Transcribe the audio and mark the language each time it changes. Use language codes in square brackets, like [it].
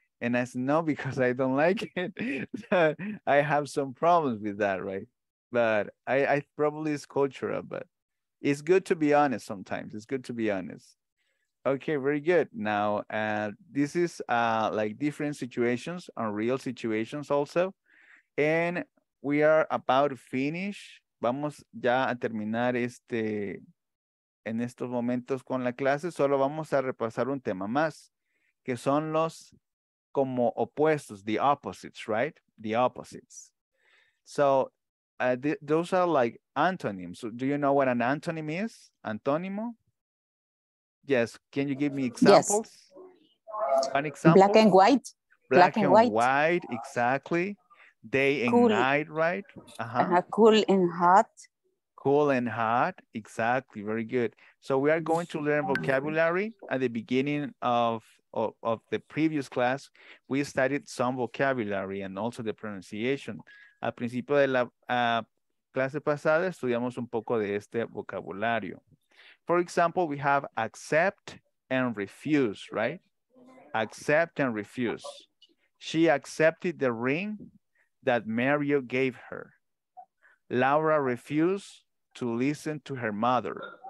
[en] And I said, no, because I don't like it. I have some problems with that, right? But I probably it's cultural, but it's good to be honest sometimes. It's good to be honest. Okay, very good. Now, this is like different situations, unreal situations also. And we are about to finish. [es] Vamos ya a terminar en estos momentos con la clase. Solo vamos a repasar un tema más, que son los como opuestos, [en] the opposites, right? The opposites. So those are like antonyms. So, do you know what an antonym is? Antónimo? Yes. Can you give me examples? Yes. An example? Black and white. Black and white. Exactly. Day and cool. Night, right? Cool and hot. Cool and hot, exactly, very good. So we are going to learn vocabulary at the beginning of the previous class. We studied some vocabulary and also the pronunciation. [es] Al principio de la clase pasada, estudiamos un poco de este vocabulario. [en] For example, we have accept and refuse, right? Accept and refuse. She accepted the ring that Mario gave her. Laura refused to listen to her mother.